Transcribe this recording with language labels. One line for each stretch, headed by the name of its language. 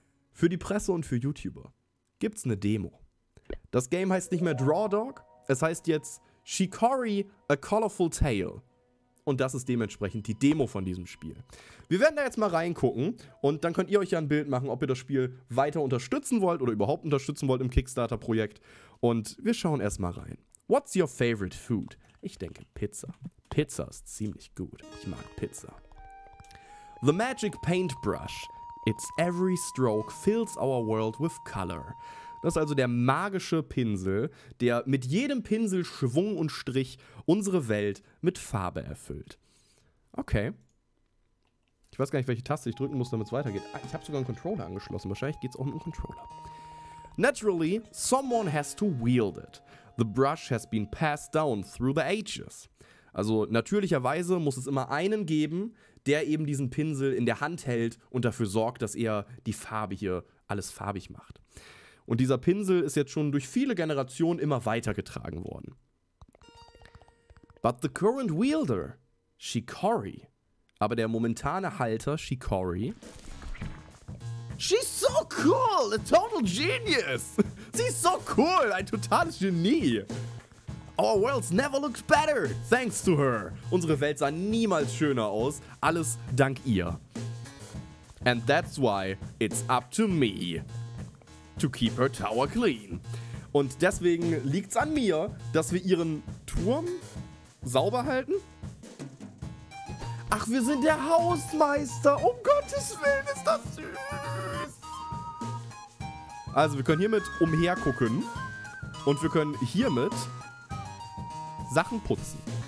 German: Für die Presse und für YouTuber gibt's eine Demo. Das Game heißt nicht mehr Draw Dog, es heißt jetzt Shikori: A Colorful Tale. Und das ist dementsprechend die Demo von diesem Spiel. Wir werden da jetzt mal reingucken und dann könnt ihr euch ja ein Bild machen, ob ihr das Spiel weiter unterstützen wollt oder überhaupt unterstützen wollt im Kickstarter-Projekt. Und wir schauen erstmal rein.
English: What's your favorite food?
German: Ich denke Pizza. Pizza ist ziemlich gut. Ich mag Pizza.
English: The magic paintbrush. Its every stroke fills our world with color.
German: Das ist also der magische Pinsel, der mit jedem Pinsel Schwung und Strich unsere Welt mit Farbe erfüllt. Okay. Ich weiß gar nicht, welche Taste ich drücken muss, damit es weitergeht. Ah, ich habe sogar einen Controller angeschlossen. Wahrscheinlich geht es auch um einen Controller.
English: Naturally, someone has to wield it. The brush has been passed down through the ages.
German: Also natürlicherweise muss es immer einen geben, der eben diesen Pinsel in der Hand hält und dafür sorgt, dass er die Farbe hier alles farbig macht. Und dieser Pinsel ist jetzt schon durch viele Generationen immer weitergetragen worden.
English: But the current wielder, Shikori.
German: Aber der momentane Halter, Shikori.
English: She's so cool! A total genius!
German: Sie ist so cool! Ein totales Genie!
English: Our world's never looked better, thanks to her!
German: Unsere Welt sah niemals schöner aus. Alles dank ihr.
English: And that's why it's up to me to keep her tower clean.
German: Und deswegen liegt's an mir, dass wir ihren Turm sauber halten. Ach, wir sind der Hausmeister. Um Gottes Willen, ist das süß. Also, wir können hiermit umhergucken und wir können hiermit Sachen putzen.